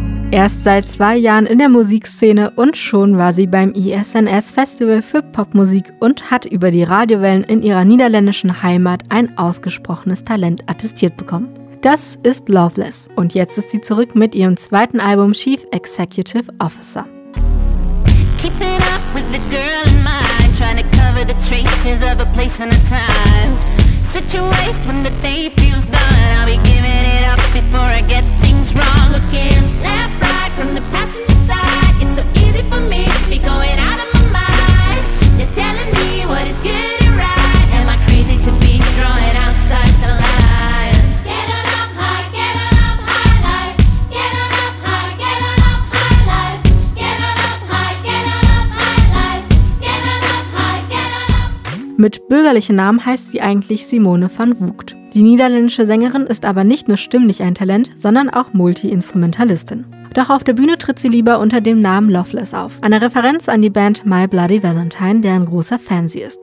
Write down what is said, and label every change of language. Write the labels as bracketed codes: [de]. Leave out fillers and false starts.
[de] Erst seit 2 Jahren in der Musikszene und schon war sie beim ISNS Festival für Popmusik und hat über die Radiowellen in ihrer niederländischen Heimat ein ausgesprochenes Talent attestiert bekommen. Das ist Loveless und jetzt ist sie zurück mit ihrem 2. [en] Album Chief Executive Officer. Keeping up with the girl in mind, trying to cover the traces of a place and a time. Situations when the day feels done, I'll be giving it up before I get things wrong again. From the passenger side, it's so easy for me to be going out of my mind. You're telling me what is good and right. Am I crazy to be drawing outside the line? Get on up high, get on up high life. Get on up high, get on up high life. Get on up high, get on up high life. Get on up high, get on up. [de] Mit bürgerlichen Namen heißt sie eigentlich Simone van Vugt. Die niederländische Sängerin ist aber nicht nur stimmlich ein Talent, sondern auch Multi-Instrumentalistin. Doch auf der Bühne tritt sie lieber unter dem Namen Loveless auf. Eine Referenz an die Band My Bloody Valentine, deren großer Fan sie ist.